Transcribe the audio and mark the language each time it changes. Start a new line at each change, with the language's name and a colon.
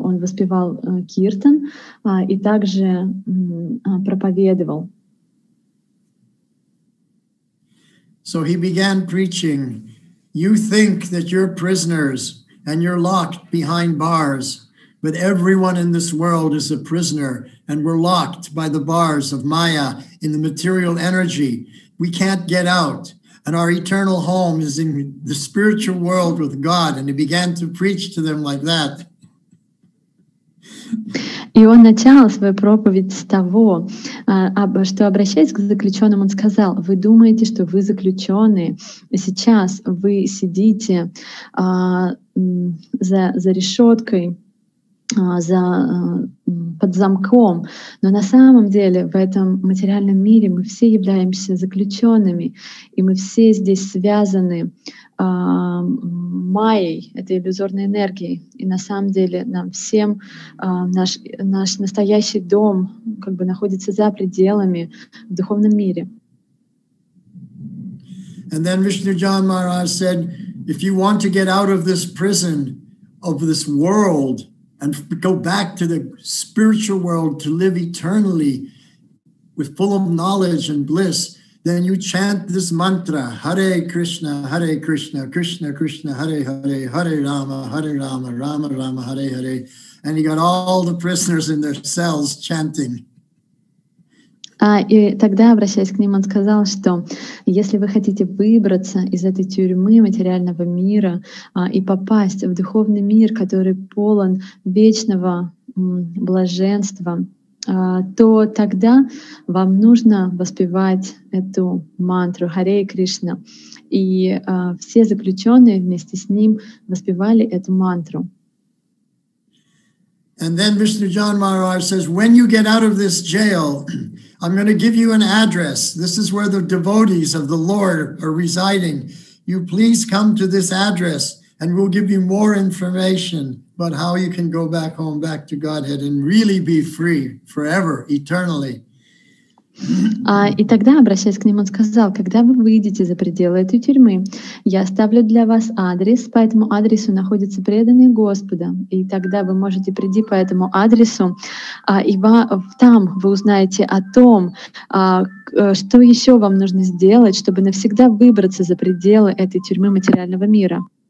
Russian: Он воспевал киртан и также проповедовал.
English: So he began preaching, you think that you're prisoners and you're locked behind bars, but everyone in this world is a prisoner and we're locked by the bars of Maya in the material energy. We can't get out and our eternal home is in the spiritual world with God. And he began to preach to them like that.
Russian: И он начал свою проповедь с того, что, обращаясь к заключенным, он сказал, «Вы думаете, что вы заключенные, сейчас вы сидите за решеткой, за под замком. Но на самом деле в этом материальном мире мы все являемся заключенными, и мы все здесь связаны майей, этой иллюзорной энергией. И на самом деле нам всем наш настоящий дом как бы находится за пределами в духовном мире.
English: And then Vishnujan Maharaj said, if you want to get out of this prison, of this world, and go back to the spiritual world to live eternally with full of knowledge and bliss, then you chant this mantra,
Sanskrit: Hare Krishna, Hare Krishna, Krishna Krishna, Hare Hare,
English: Hare Rama, Hare Rama, Rama Rama, Hare Hare. And you got all the prisoners in their cells chanting.
Russian: И тогда, обращаясь к ним, он сказал, что если вы хотите выбраться из этой тюрьмы материального мира и попасть в духовный мир, который полон вечного блаженства, то тогда вам нужно воспевать эту мантру «Харе Кришна». И все заключенные вместе с ним воспевали эту мантру.
English: And then Vishnujan Maharaj says, when you get out of this jail, I'm going to give you an address. This is where the devotees of the Lord are residing. You please come to this address and we'll give you more information about how you can go back home, back to Godhead and really be free forever, eternally.
Russian: И тогда, обращаясь к ним, он сказал, когда вы выйдете за пределы этой тюрьмы, я оставлю для вас адрес, по этому адресу находятся преданные Господа, и тогда вы можете прийти по этому адресу, и там вы узнаете о том, что еще вам нужно сделать, чтобы навсегда выбраться за пределы этой тюрьмы материального мира.